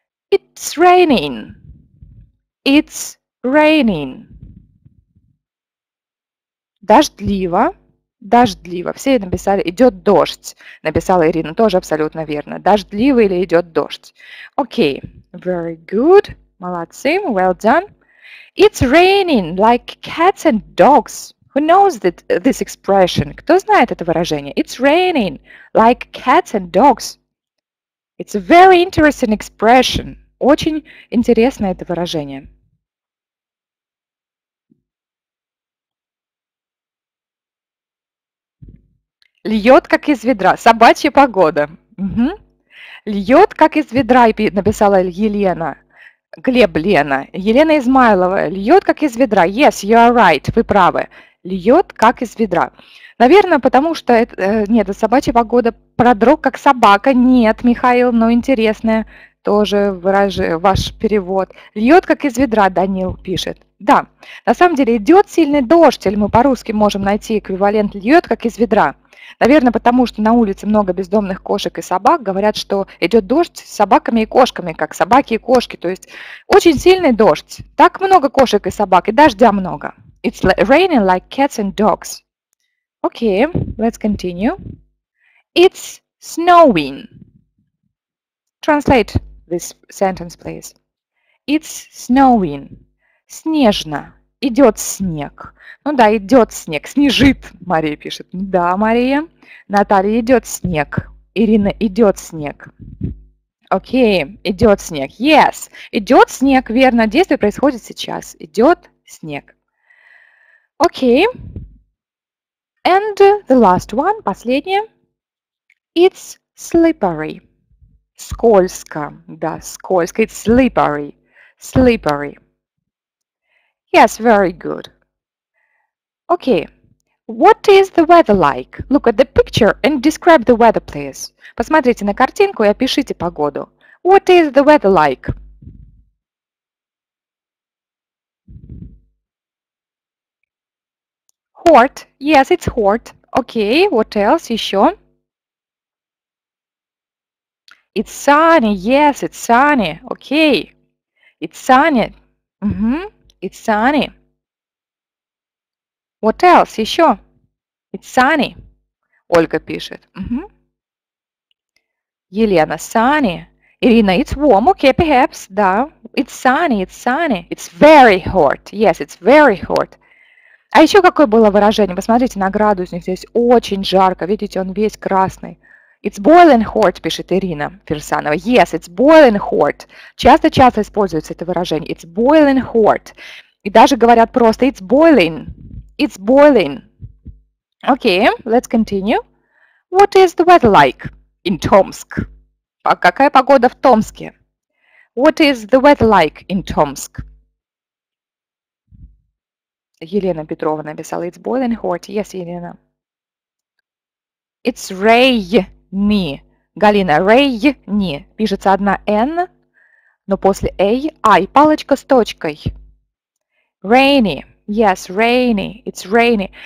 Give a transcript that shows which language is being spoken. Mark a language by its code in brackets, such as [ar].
[en] It's raining. It's raining. [ru] Дождливо. Дождливо. Все написали «идет дождь», написала Ирина. Тоже абсолютно верно. Дождливо или идет дождь. [en] Окей. Very good. [ru] Молодцы. [en] Well done. It's raining like cats and dogs. Who knows that, this expression? [ru] Кто знает это выражение? [en] It's raining like cats and dogs. It's a very interesting expression. [ru] Очень интересное это выражение. Льет как из ведра. Собачья погода. Льет как из ведра, написала Елена. Глеб, Лена. Елена Измайлова. Льет как из ведра. [en] Yes, you are right. [ru] Вы правы. льет как из ведра. Наверное, потому что это, нет, собачья погода, продрог как собака. Нет, Михаил, но интересное тоже выражение, ваш перевод. Льет как из ведра, Данил пишет. Да, на самом деле идет сильный дождь, или мы по-русски можем найти эквивалент льет как из ведра. Наверное, потому что на улице много бездомных кошек и собак. Говорят, что идет дождь с собаками и кошками, как собаки и кошки. То есть очень сильный дождь. Так много кошек и собак, и дождя много. [en] It's raining like cats and dogs. Okay, let's continue. It's snowing. Translate this sentence, please. It's snowing. [ru] Снежно. Идет снег. Ну да, идет снег. Снежит, Мария пишет. Да, Мария. Наталья, идет снег. Ирина, идет снег. Окей, идет снег. [en] Yes, [ru] идет снег. Верно, действие происходит сейчас. Идет снег. Окей. [en] And the last one, [ru] последнее. [en] It's slippery. [ru] Скользко. Да, скользко. [en] It's slippery. Slippery. Yes, very good. Okay, what is the weather like? Look at the picture and describe the weather, please. [ru] Посмотрите на картинку и опишите погоду. [en] What is the weather like? Hot. Yes, it's hot. Okay, what else? [ru] Еще. [en] It's sunny. Yes, it's sunny. Okay. It's sunny. Mm-hmm. It's sunny. What else? [ru] Еще. [en] It's sunny. Ольга [ru] пишет. [en] Mm-hmm. Елена, sunny. Ирина, it's warm. Okay, perhaps. [ru] Да. [en] It's sunny. It's sunny. It's very hot. Yes, it's very hot. [ru] А еще какое было выражение? Посмотрите на градусник. Здесь очень жарко. Видите, он весь красный. [en] It's boiling hot, [ru] пишет Ирина Фирсанова. [en] Yes, it's boiling hot. [ru] Часто-часто используется это выражение. [en] It's boiling hot. [ru] И даже говорят просто [en] it's boiling. It's boiling. Okay, let's continue. What is the weather like in Tomsk? [ru] А какая погода в Томске? [en] What is the weather like in Tomsk? [ru] Елена Петрова написала [en] it's boiling hot. Yes, Елена. It's ray. [ru] Ни. Галина, рей-ни. Пишется одна N, но после эй, ай, палочка с точкой. [en] Rainy. Yes, rainy. It's rainy.